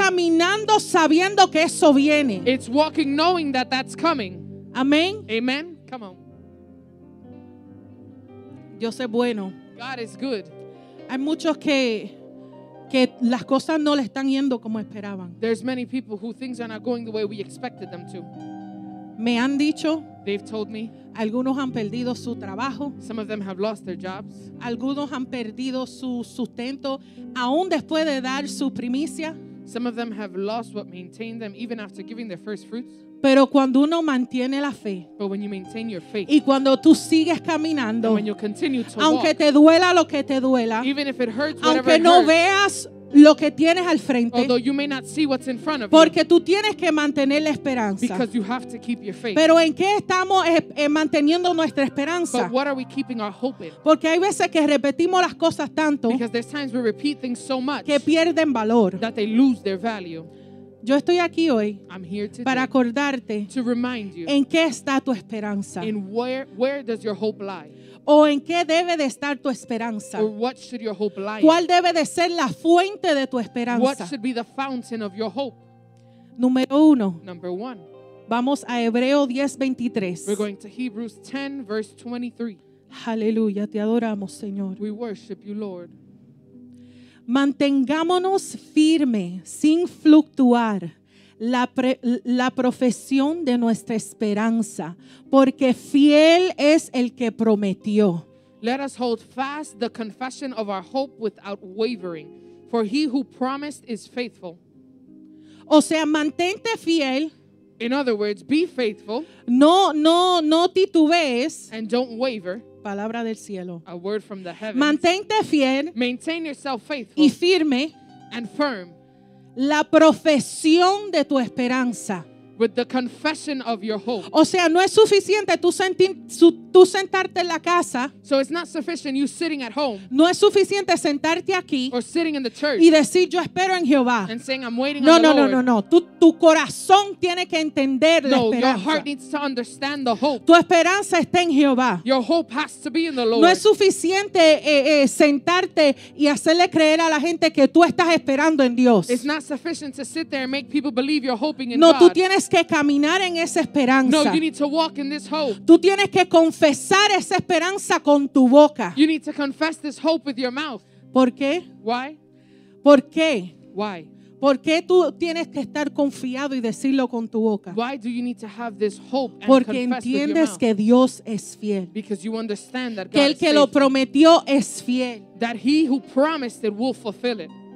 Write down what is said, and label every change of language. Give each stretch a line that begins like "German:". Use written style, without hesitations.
Spanish: Es caminando sabiendo que eso viene.
English: It's walking knowing that that's coming.
Spanish: Amén.
English: Amen. Come on.
Spanish: Dios es bueno.
English: God is good.
Spanish: Hay muchos que las cosas no le están yendo como esperaban.
English: There's many people who things are not going the way we expected them to.
Spanish: Me han dicho.
English: They've told me.
Spanish: Algunos han perdido su trabajo.
English: Some of them have lost their jobs.
Spanish: Algunos han perdido su sustento, aún después de dar su primicia.
English: Some of them have lost what maintained them even after giving their first fruits.
Spanish: Pero cuando uno mantiene la fe,
English: but when you maintain your faith,
Spanish: y cuando tú sigues caminando,
English: and when you continue to
Spanish: aunque
English: walk,
Spanish: te duela lo que te duela,
English: even if it hurts,
Spanish: aunque
English: whatever
Spanish: no
English: it hurts,
Spanish: veas lo que tienes al frente,
English: although you may not see what's in front of you,
Spanish: porque tú tienes que mantener la esperanza,
English: because you have to keep your faith.
Spanish: Pero ¿en qué estamos manteniendo nuestra esperanza?
English: But what are we keeping our hope in?
Spanish: Porque hay veces que repetimos las cosas tanto,
English: because there's times we repeat things so much,
Spanish: que pierden valor,
English: that they lose their value.
Spanish: Yo estoy aquí hoy
English: today,
Spanish: para acordarte
English: to remind you,
Spanish: en qué está tu esperanza.
English: In where does your hope lie?
Spanish: O en qué debe de estar tu esperanza.
English: Or what should your hope lie?
Spanish: ¿Cuál debe de ser la fuente de tu esperanza?
English: What should be the fountain of your hope?
Spanish: Número uno.
English: Number one.
Spanish: Vamos a Hebreos 10:23.
English: We're going to Hebrews 10, verse 23.
Spanish: Aleluya, te adoramos, Señor.
English: We worship you, Lord.
Spanish: Mantengámonos firme, sin fluctuar, la profesión de nuestra esperanza, porque fiel es el que prometió.
English: Let us hold fast the confession of our hope without wavering, for he who promised is faithful.
Spanish: O sea, mantente fiel.
English: In other words, be faithful.
Spanish: No titubees.
English: And don't waver.
Spanish: Palabra del cielo.
English: A word from the heavens.
Spanish: Mantente fiel.
English: Maintain yourself faithful.
Spanish: Y firme.
English: And firm.
Spanish: La profesión de tu esperanza.
English: With the confession of your hope.
Spanish: O sea, no es suficiente tú sentarte en la casa.
English: So it's not sufficient you sitting at home.
Spanish: No es suficiente sentarte aquí.
English: Or sitting in the church.
Spanish: Y decir yo espero en Jehová.
English: And saying I'm waiting
Spanish: no,
English: on
Spanish: no,
English: the
Spanish: no,
English: Lord.
Spanish: No, no, no, no. Tu corazón tiene que entender no, la esperanza.
English: No, your heart needs to understand the hope.
Spanish: Tu esperanza está en Jehová.
English: Your hope has to be in the Lord.
Spanish: No es suficiente sentarte y hacerle creer a la gente que tú estás esperando en Dios.
English: It's not sufficient to sit there and make people believe you're hoping in
Spanish: no,
English: God.
Spanish: No, tú tienes que caminar en esa esperanza.
English: No, you need to walk in this hope.
Spanish: Tú tienes que confesar esa esperanza con tu boca.
English: You need to confess this hope with your mouth.
Spanish: ¿Por qué?
English: Why?
Spanish: ¿Por qué?
English: Why?
Spanish: ¿Por qué tú tienes que estar confiado y decirlo con tu boca?
English: Why do you need to have this hope and confess with your mouth?
Spanish: Porque entiendes que Dios es fiel.
English: Because you understand that God is faithful.
Spanish: Que el que lo prometió es fiel.
English: That he who promised it will fulfill it.